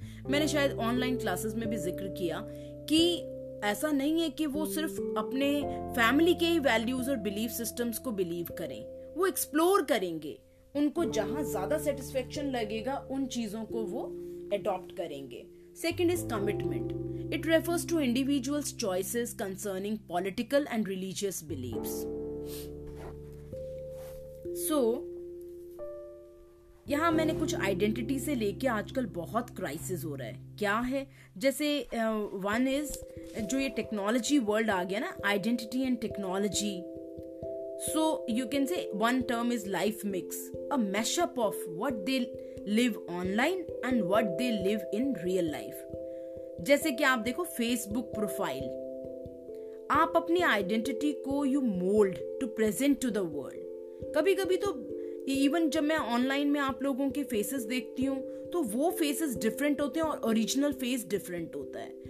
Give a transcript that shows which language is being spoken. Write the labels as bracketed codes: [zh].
[hi] मैंने शायद online classes में भी जिक्र किया कि ऐसा नहीं है कि वो सिर्फ अपने family के ही values और belief systems को believe करें, वो explore करेंगे, उनको जहां ज़्यादा satisfaction लगेगा उन चीज़ों को वो adopt करेंगे. [en] Second is commitment. It refers to individuals' choices concerning political and religious beliefs. [hi] So, यहाँ मैंने कुछ identity से लेके आजकल बहुत crisis हो रहा है. क्या है? जैसे one is जो ये technology world आ गया ना identity and technology. [en] So you can say one term is life mix, a mashup of what they live online and what they live in real life. [hi] जैसे कि आप देखो Facebook प्रोफाइल आप अपनी आइडेंटिटी को [en] you mould to present to the world [hi] कभी कभी तो इवन जब मैं ऑनलाइन में आप लोगों के फेसेस देखती हूँ तो वो फेसेस डिफरेंट होते हैं और ओरिजिनल फेस डिफरेंट होता है.